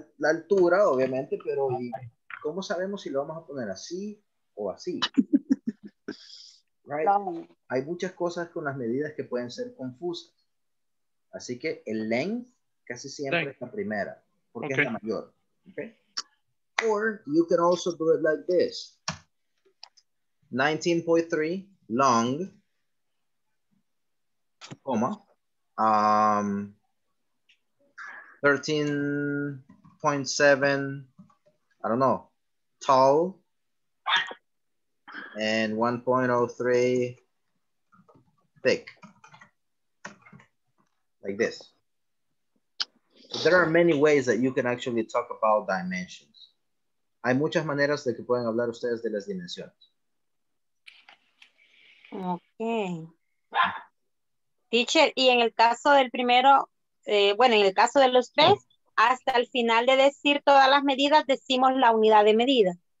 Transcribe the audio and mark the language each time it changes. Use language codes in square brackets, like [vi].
[es] La altura, obviamente, pero ¿y cómo sabemos si lo vamos a poner así o así? [en] Right? [es] Hay muchas cosas con las medidas que pueden ser confusas. Así que el length casi siempre es la primera, porque es la mayor. ¿Ok? [en] Or you can also do it like this. 19.3 long, comma, 13.7, I don't know, tall, and 1.03 thick. Like this. There are many ways that you can actually talk about dimensions. [es] Hay muchas maneras de que pueden hablar ustedes de las dimensiones. Ok. Teacher, y en el caso del primero, bueno, en el caso de los tres, hasta el final de decir todas las medidas, decimos la unidad de medida.